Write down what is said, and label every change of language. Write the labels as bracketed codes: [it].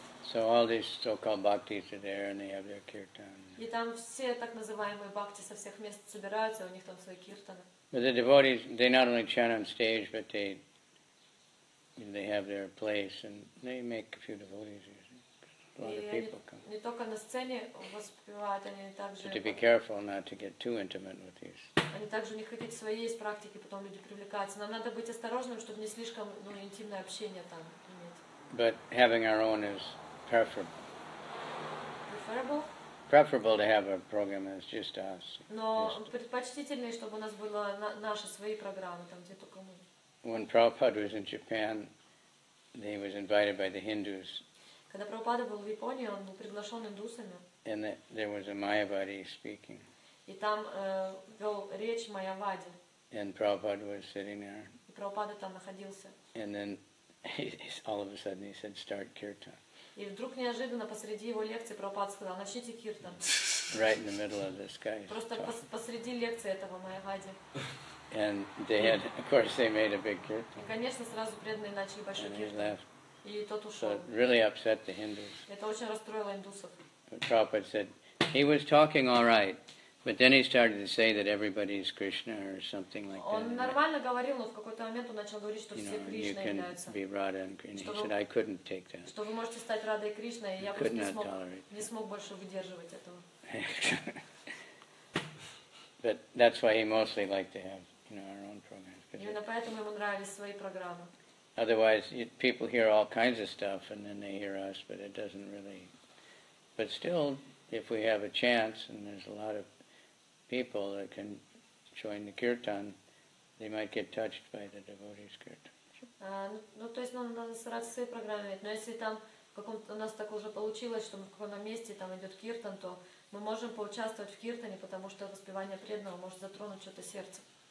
[en] So all these so-called bhaktis are there and they have their kirtan. But the devotees, they not only chant on stage, but they... And they have their place, and they make a few devotees. A lot of people come. [ru] Не только на сцене воспевают, они также. [en] So to be careful not to get too intimate with these. [ru] Они также у них какие-то свои есть практики, потом люди привлекаются. Но надо быть осторожным, чтобы не слишком интимное общение там иметь. [en] But having our own is preferable. Preferable? Preferable to have a program that's just us. [ru] Но предпочтительнее, чтобы у нас было наши свои программы там, где только мы. [en] When Prabhupada was in Japan, he was invited by the Hindus. [ru] Когда Прабхупада был в Японии, он был приглашен индусами. [en] And there was a Mayavadi speaking. [ru] И там вел речь Майявади. [en] And Prabhupada was sitting there. [ru] И Прабхупада там находился. [en] And then all of a sudden he said, "Start kirtan." [ru] И вдруг неожиданно посреди его лекции Прабхупада сказал, "Начните киртан." [en] Right in the middle of this guy. [ru] Просто посреди лекции этого Майявади. [en] And they had, of course, they made a big kirtan. [ru] И, конечно, сразу преданные начали большой [en] kirtan. And he left. [ru] И тот ушел. [en] So it really upset the Hindus. [ru] Это очень расстроило индусов. [en] But Prabhupada said, he was talking all right, but then he started to say that everybody is Krishna or something like [ru] он Он нормально говорил, но в какой-то момент он начал говорить, что все Кришна являются. [en] You can be Radha and Krishna. He said, I couldn't take that. [ru] Что вы можете стать Радой и Кришной, и я [en] could [ru] просто [en] not tolerate. [ru] Не смог больше выдерживать этого. [en] But that's why he mostly liked to have our own programs. [ru] Именно поэтому ему нравились свои программы. [en] Otherwise, people hear all kinds of stuff, and then they hear us, but it doesn't really. But still, if we have a chance, and there's a lot of people that can join the kirtan, they might get touched by the devotees' kirtan. Sure. [ru] Ну, то есть нам надо стараться свои программы иметь. Но если там у нас так уже получилось, что в каком-то месте там идет киртан, то мы можем поучаствовать в киртане, потому что воспевание преданного может затронуть что-то сердце.